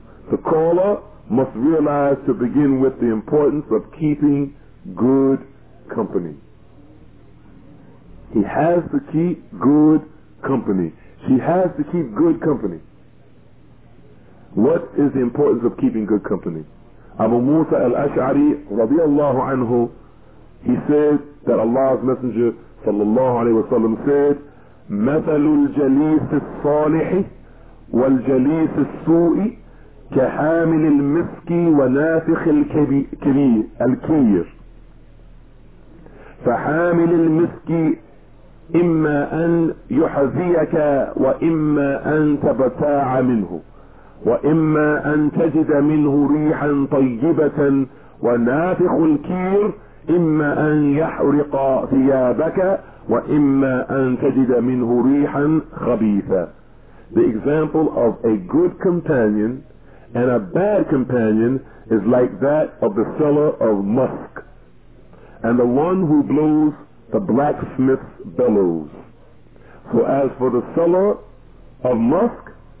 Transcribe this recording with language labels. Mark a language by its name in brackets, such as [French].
[English] The caller must realize to begin with the importance of keeping good company. He has to keep good company. She has to keep good company. What is the importance of keeping good company? Abu Musa al-Ash'ari radiallahu anhu, he said that Allah's Messenger sallallahu alayhi wa sallam said, [Arabic] مَثَلُ الْجَلِيسِ الصَّالِحِ وَالْجَلِيسِ السُّوءِ كَحَامِلِ الْمِسْكِ وَنَافِخِ الْكِيرِ فحامل المسك إما أن يحذيك وإما أن تبتاع منه وإما أن تجد منه ريحا طيبة ونافخ الكير إما أن يحرق ثيابك وإما أن تجد منه ريحا خبيثة. [English] The example of a good companion and a bad companion is like that of the seller of musk and the one who blows the blacksmith's bellows. So as for the seller of musk,